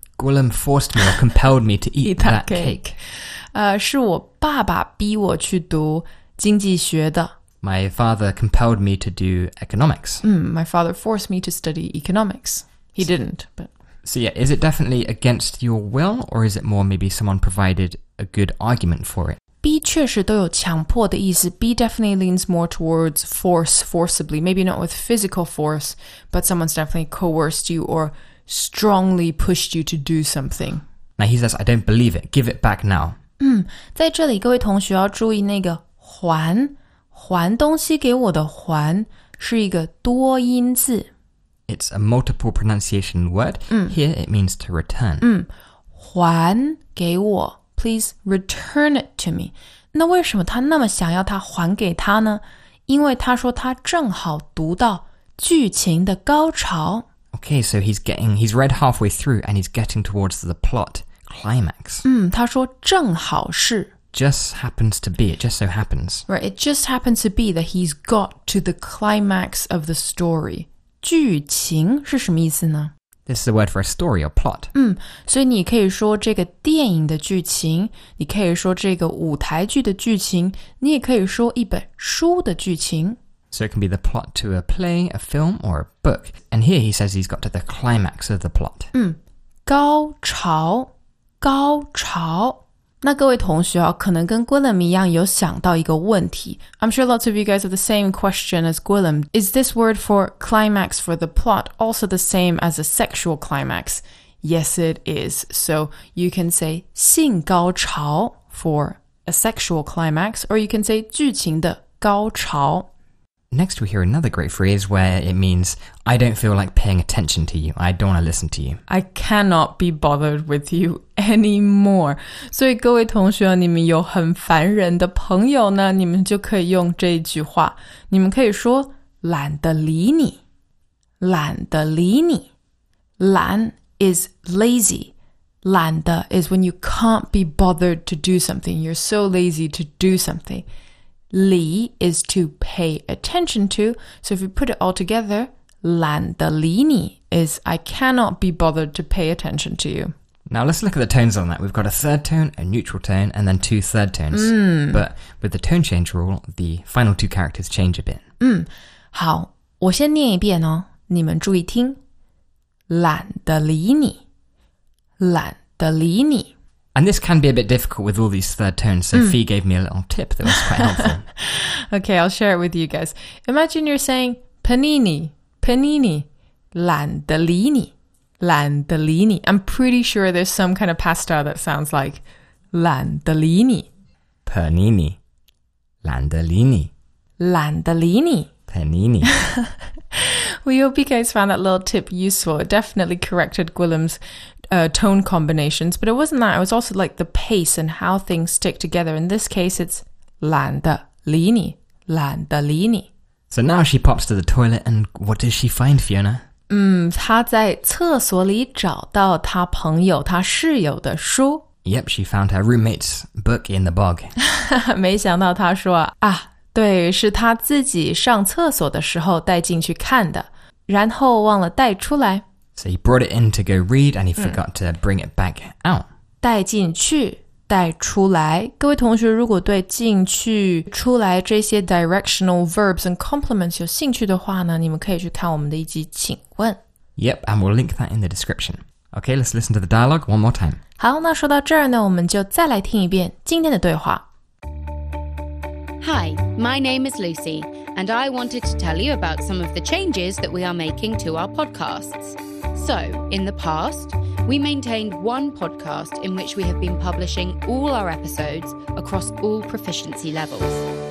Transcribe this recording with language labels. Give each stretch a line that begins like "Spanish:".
English: Gwilym forced me or compelled me to eat that cake.
Chinese: Is 我爸爸逼我去读经济学的。
English: My father compelled me to do economics. My father forced me to study economics. He didn't, but... So yeah, is it definitely against your will, or is it more maybe someone provided a good argument for it?
Chinese: B 确实都有强迫的意思。
English: B definitely leans more towards force, forcibly. Maybe not with physical force, but someone's definitely coerced you or strongly pushed you to do something. Now he says, I don't believe it. Give it back now.
Chinese: 在这里各位同学要注意那个还，还东西给我的还是一个多音字。
English: It's a multiple pronunciation word. Here it means to return.
Chinese: 还给我
English: Please return it to me.
Chinese: 那为什么他那么想要他还给他呢因为他说他正好读到剧情的高潮
English: Okay, so he's read halfway through and he's getting towards the plot climax.
Chinese: 他说正好是
English: Just happens to be, it just so happens. Right, it just happens to be that he's got to the climax of the story.
Chinese: 剧情是什么意思呢
English: This is a word for a story or plot.
Chinese: 所以你可以说这个电影的剧情，你可以说这个舞台剧的剧情，你也可以说一本书的剧情。
English: So it can be the plot to a play, a film, or a book. And here he says he's got to the climax of the plot.
Chinese: 高潮，高潮。那各位同学可能跟 Gwilym 一样有想到一个问题。
English: I'm sure lots of you guys have the same question as Gwilym. Is this word for climax for the plot also the same as a sexual climax? Yes, it is. So you can say
Chinese: 性高潮
English: for a sexual climax, or you can say
Chinese: 剧情的高潮。
English: Next, we hear another great phrase where it means, I don't feel like paying attention to you. I don't want to listen to you. I cannot be bothered with you anymore.
Chinese: 所以各位同学你们有很烦人的朋友呢你们就可以用这句话。你们可以说懒得理你。懒得理你。
English: 懒 is lazy. 懒得 is when you can't be bothered to do something. You're so lazy to do something. Li is to pay attention to. So if you put it all together,
Chinese: 懒得理你
English: is I cannot be bothered to pay attention to you. Now let's look at the tones on that. We've got a third tone, a neutral tone, and then two third tones. Mm. But with the tone change rule, the final two characters change a bit.
Chinese: 好，我先念一遍哦，你们注意听。懒得理你，懒得理你。
English: And this can be a bit difficult with all these third tones, so Fee gave me a little tip that was quite helpful. Okay, I'll share it with you guys. Imagine you're saying, panini, panini,
Chinese: 懒得理你。懒得理你。
English: I'm pretty sure there's some kind of pasta that sounds like
Chinese: 懒得理你。 Panini. 懒得理你。懒得理你。
English: Panini. We hope you guys found that little tip useful. It definitely corrected Gwilym's tone combinations, but it wasn't that. It was also like the pace and how things stick together. In this case, it's
Chinese: 懒得理你。懒得理你。
English: So now she pops to the toilet, and what does she find, Fiona?
Chinese: 她在厕所里找到她朋友、她室友的书。
English: Yep, she found her roommate's book in the bog.
Chinese: 没想到她说啊，对，是她自己上厕所的时候带进去看的，然后忘了带出来。
English: So he brought it in to go read and he forgot to bring it back out.
Chinese: 带进去。带出来，各位同学，如果对进去、出来这些
English: directional verbs and complements
Chinese: 有兴趣的话呢，你们可以去看我们的一集请问。
English: Yep, and we'll link that in the description. Okay, let's listen to the dialogue one more time.
Chinese: 好，那说到这儿呢，我们就再来听一遍今天的对话。
English: Hi, my name is Lucy, and I wanted to tell you about some of the changes that we are making to our podcasts. So, in the past... We maintained one podcast in which we have been publishing all our episodes across all proficiency levels.